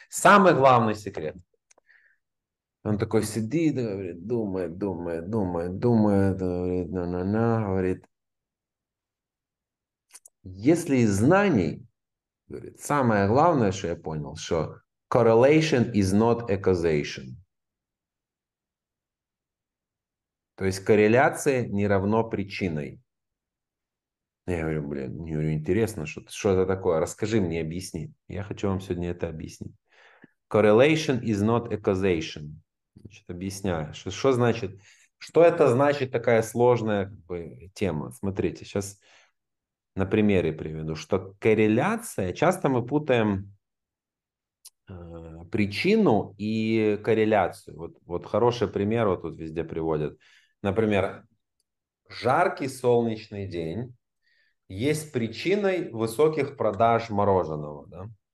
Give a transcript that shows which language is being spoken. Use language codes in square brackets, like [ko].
[ru] Самый главный секрет. Он такой сидит, говорит, думает, думает, думает, думает, говорит, на-на-на, говорит, если из знаний, говорит, самое главное, что я понял, что [en] correlation is not a causation. [ru] То есть корреляция не равно причиной. Я говорю, блин, не говорю, интересно, что это такое? Расскажи мне, объясни. Я хочу вам сегодня это объяснить. [en] Correlation is not a causation. [ru] Значит, объясняю. Что значит? Что это значит, такая сложная, как бы, тема? Смотрите, сейчас на примере приведу, что корреляция, часто мы путаем причину и корреляцию. Вот хороший пример, вот тут везде приводят. Например, жаркий солнечный день есть причиной высоких продаж мороженого. Да?